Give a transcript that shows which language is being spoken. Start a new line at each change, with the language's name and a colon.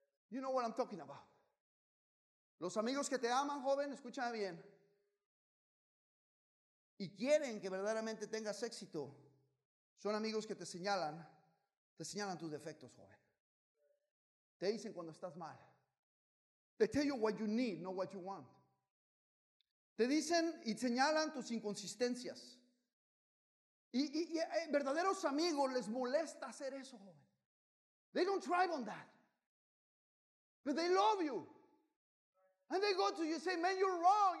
English: You know what I'm talking about.
Spanish: Los amigos que te aman, joven, escúchame bien. Y quieren que verdaderamente tengas éxito. Son amigos que te señalan tus defectos, joven. Te dicen cuando estás mal.
English: They tell you what you need, not what you want.
Spanish: Te dicen y señalan tus inconsistencias. Y verdaderos amigos les molesta hacer eso, joven.
English: They don't thrive on that. But they love you. And they go to you and say, man, you're wrong.